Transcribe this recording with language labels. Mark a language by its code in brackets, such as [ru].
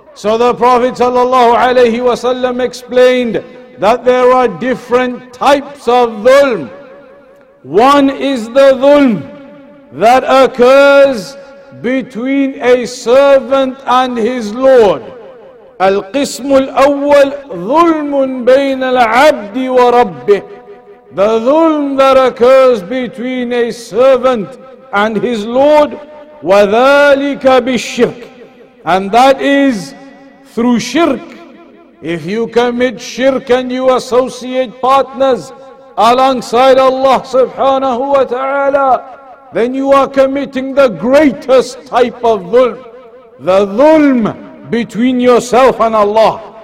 [en] So the Prophet sallallahu alayhi wa sallam explained that there are different types of dhulm. One is the dhulm that occurs between a servant and his lord. [ar] القسم الأول ظلم بين العبد وربه. [en] The dhulm that occurs between a servant and his lord. [ar] وذلك بالشرك. [en] And that is through shirk. If you commit shirk and you associate partners alongside Allah subhanahu wa ta'ala, then you are committing the greatest type of dhulm, the dhulm between yourself and Allah.